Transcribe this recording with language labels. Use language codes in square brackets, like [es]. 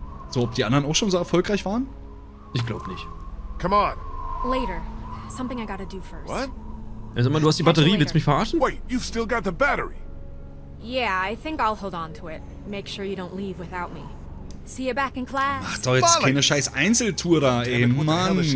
[de] So, ob die anderen auch schon so erfolgreich waren? Ich glaube nicht. [en] Come on. Later. Something I gotta do first. What? [de] Ja, sag mal, du hast die Batterie, willst du mich verarschen? [en] Wait, you've still got the battery. Yeah, I think I'll hold on to it. Make sure you don't leave without me. See you back in class. [de] Ach doch, jetzt keine scheiß Einzeltour da, ey, Mann.